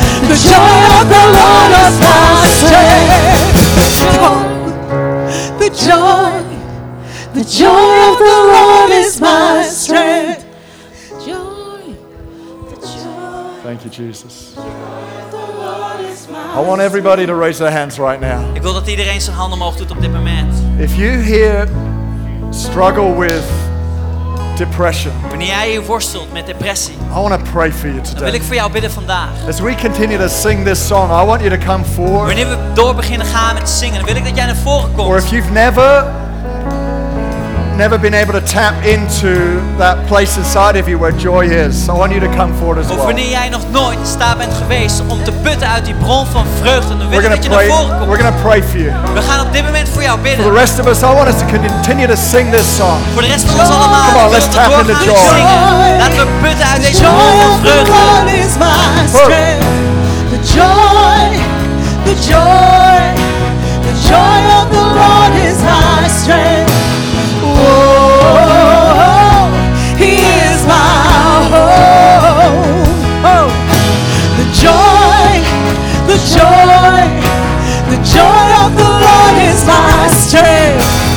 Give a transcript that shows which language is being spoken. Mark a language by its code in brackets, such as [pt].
[en] The joy of the Lord is my strength. The joy of the Lord is my strength. Thank you, Jesus. I want everybody to raise their hands right now. [nl] Ik wil dat iedereen zijn handen omhoog doet op dit moment. [en] If you here struggle with depression, [nl] wanneer jij je worstelt met depressie, [en] I want to pray for you today. [nl] Wil ik voor jou bidden vandaag. [en] As we continue to sing this song, I want you to come forward. [nl] Wanneer we door beginnen gaan met zingen, wil ik dat jij naar voren komt. [en] Or if you've never been able to tap into that place inside of you where joy is, I want you to come forward as well. [nl] Of wanneer jij nog nooit in staat bent geweest om te putten uit die bron van vreugde, dan wil ik dat je naar voren komt. [en] We're going to pray for you. [nl] We gaan op dit moment voor jou bidden. [en] For the rest of us, I want us to continue to sing this song. [nl] Voor de rest van ons allemaal. [en] Come on, let's tap into joy. [nl] Laten we putten uit deze bron van vreugde. [en] The joy is my strength. The joy of the Lord is my strength. Oh, He is my hope. Oh, the joy of the Lord is my strength.